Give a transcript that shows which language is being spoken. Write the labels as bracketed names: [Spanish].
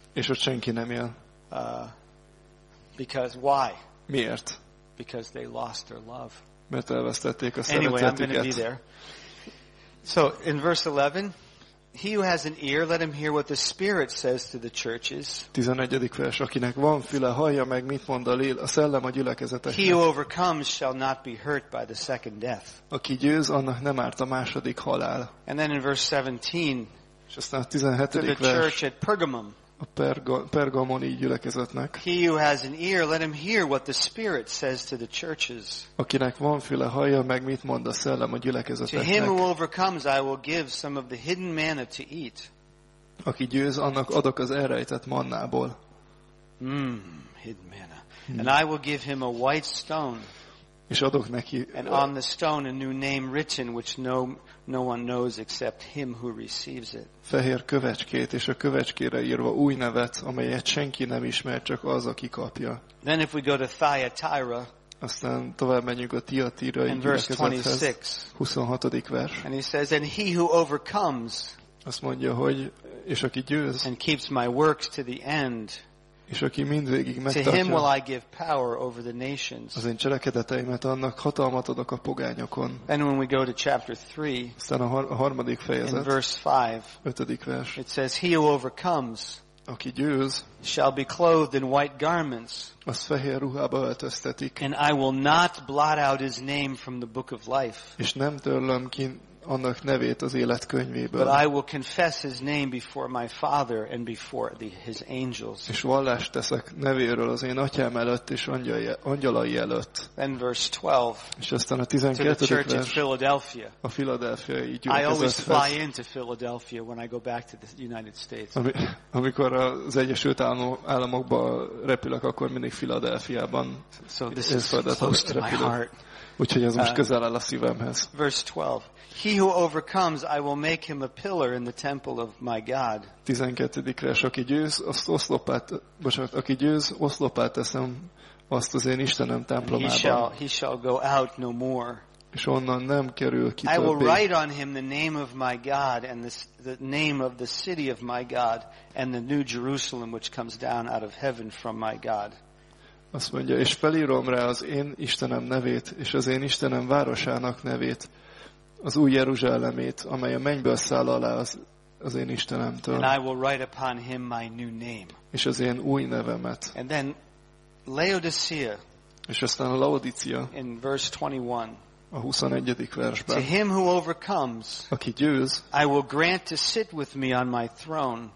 [Hungarian] És ott senki nem él. [English] Because why? [Hungarian] Miért? [English] Because they lost their love. [Hungarian] Mert elvesztették a szeretetüket. [English] Anyway, I'm going to be there. So in verse 11. He who has an ear, let him hear what the Spirit says to the churches. [Hungarian] 11. vers, akinek van füle, hallja meg, mit mond a szellem a gyülekezeteknek. [English] He who overcomes shall not be hurt by the second death. [Hungarian] Aki győz, annak nem árt a második halál. [English] And then in verse 17. [Hungarian] És aztán a 17. vers. [English] To the church at Pergamum. [Hungarian] A pergamoni gyülekezetnek. [English] He who has an ear, let him hear what the Spirit says to the churches. [Hungarian] Akinek van füle, hallja meg, mit mond a szellem a gyülekezeteknek. [English] To him who overcomes, I will give some of the hidden manna to eat. [Hungarian] Aki győz, annak adok az elrejtett mannából. [English] Hidden manna. And I will give him a white stone. [Hungarian] És adok neki. [English] And on the stone a new name written, which no one knows except him who receives it. [Hungarian] Fehér kövecskét és a kövecskére írva új nevet, amelyet senki nem ismer, csak az, aki kapja. [English] Then if we go to Thyatira. [Hungarian] Aztán tovább menjünk a Tiatira gyülekezethez. 26. vers. [English] And he says, and he who overcomes. [Hungarian] Azt mondja, hogy és aki győz. [English] And keeps my works to the end. [Hungarian] És aki mindvégig megtartja, [English] to him will I give power over the nations. [Hungarian] Az én cselekedeteimet, annak hatalmat adok a pogányokon. [English] And when we go to chapter 3, [Hungarian] aztán a harmadik fejezet, [English] in verse 5, [Hungarian] 5. vers, [English] it says, he who overcomes, [Hungarian] aki győz, [English] shall be clothed in white garments, [Hungarian] az fehér ruhába öltöztetik, [English] and I will not blot out his name from the book of life, [Hungarian] és nem törlöm ki annak nevét az életkönyvéből. [English] But I will confess his name before my Father and before his angels. [Hungarian] És vallást teszek nevéről az én atyám előtt és angyalai előtt. [English] And verse 12. [Hungarian] És aztán a 12. [English] To the church in Philadelphia. [Hungarian] A Philadelphiai gyülekezethez. [English] I always fly into Philadelphia when I go back to the United States. [Hungarian] Amikor az Egyesült Államokba repülök, akkor mindig Philadelphiában. [English] So this is close to my heart. [Hungarian] Úgyhogy ez most közel áll a szívemhez. [English] Verse 12. He who overcomes, I will make him a pillar in the temple of my God. [Hungarian] 12. vers, aki győz, oszlopát teszem azt az én Istenem templomában. [English] He shall go out no more. [Hungarian] És onnan nem kerül ki többé. [English] I will write on him the name of my God and the name of the city of my God and the new Jerusalem which comes down out of heaven from my God. [Hungarian] Azt mondja, és felírom rá az én Istenem nevét, és az én Istenem városának nevét, az új Jeruzsálemét, amely a mennyből száll alá az én Istenemtől. [English] And I will write upon him my new name. [Hungarian] És az én új nevemet. [English] And then Laodicea. [Hungarian] És aztán a Laodicea. [English] In verse 21. [Hungarian] a 21. versben. [English] To him who overcomes, [Hungarian] aki győz, [English] I will grant to sit with me on my throne.